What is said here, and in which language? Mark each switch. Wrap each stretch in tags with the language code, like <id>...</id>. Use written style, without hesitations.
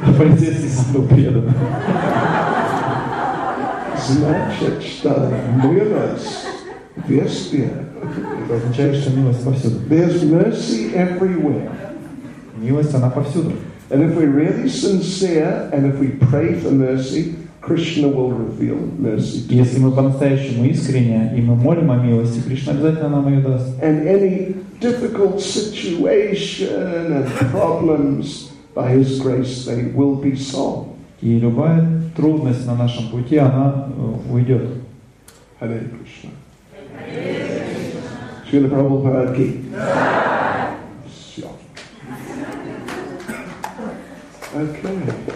<ru>Полицейский сам был предан. Значит, что мирос. Это означает, что милость повсюду.</ru> <en>There's mercy everywhere.</en> <ru>Милость, она повсюду.</ru> <en>And if we're really sincere, and if we pray for mercy, Krishna will reveal mercy to us.</en> <ru>Если мы по-настоящему искренне и мы молим о милости, Кришна обязательно нам ее даст.</ru> <en>And any difficult situation and problems, by His grace, they will be solved.</en> <ru>И любая трудность на нашем пути, она уйдет.</ru> <sa>Hare Krishna. Srila Prabhupada ki.</sa> <en>Okay.</en>